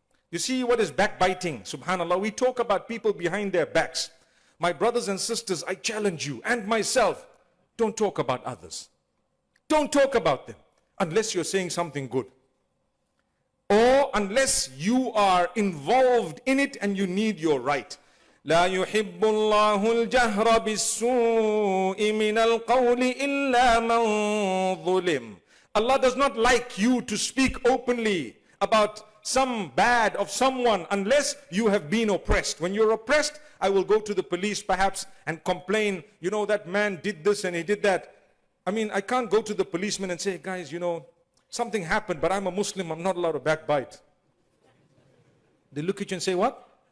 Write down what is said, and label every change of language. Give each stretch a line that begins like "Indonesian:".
English: You see, what is backbiting? Subhanallah, we talk about people behind their backs. My brothers and sisters, I challenge you and myself, don't talk about others. Don't talk about them unless you're saying something good. Or unless you are involved in it and you need your right.
Arabic: لا يحب الله الجهر بالسوء من القول إلا من ظلم.
English: Allah does not like you to speak openly about some bad of someone unless you have been oppressed. When you're oppressed, I will go to the police perhaps and complain, you know, that man did this and he did that. I mean, I can't go to the policeman and say, guys, you know, something happened, but I'm a Muslim, I'm not allowed to backbite. They look at you and say, what?